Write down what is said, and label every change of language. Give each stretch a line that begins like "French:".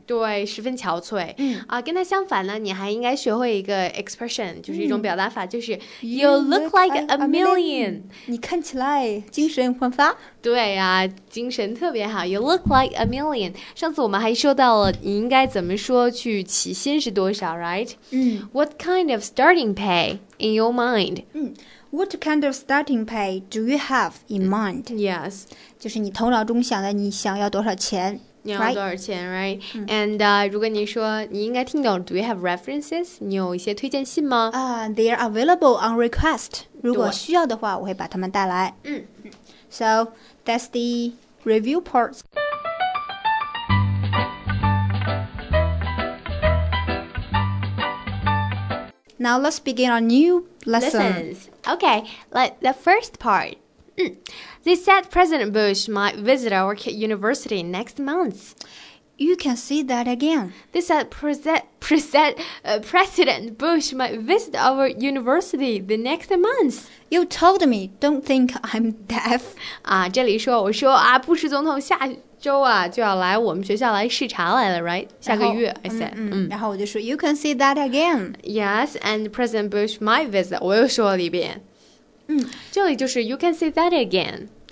Chinese: 对，十分憔悴。跟它相反呢，你还应该学会一个 expression， 就是一种表达法，就是
English: you look like a million。
Chinese: 你看起来精神焕发。对呀、啊，精神特别好。
English: You look like a million。
Chinese: 上次我们还说到了，你应该怎么说去起薪是多少 ，right？
English: What kind of starting pay in your mind？ What kind of starting pay do you have in mind？ Yes，
Chinese: 就是你头脑中想的，你想要多少钱？你要多少钱 ，right？ And 如果你说你应该听懂 ，
English: Do you have references？
Chinese: 你有一些推荐信吗？
English: They are available on request。
Chinese: 如果需要的话，我会把它们带来。
English: So that's the review part. Now let's begin our new lessons. Okay, like the first part. They said President Bush might visit our university next month. You can say that again. They said President Bush might visit our university the next month. You told me, don't think I'm deaf.
Chinese: 这里说我说布什总统下周就要来我们学校来视察来了 ，right？下个月 ，
English: I said。
Chinese: 然后我就说
English: ，You can say that again. Yes, and President Bush might visit.
Chinese: 我又说了一遍。这里就是
English: you can say that again.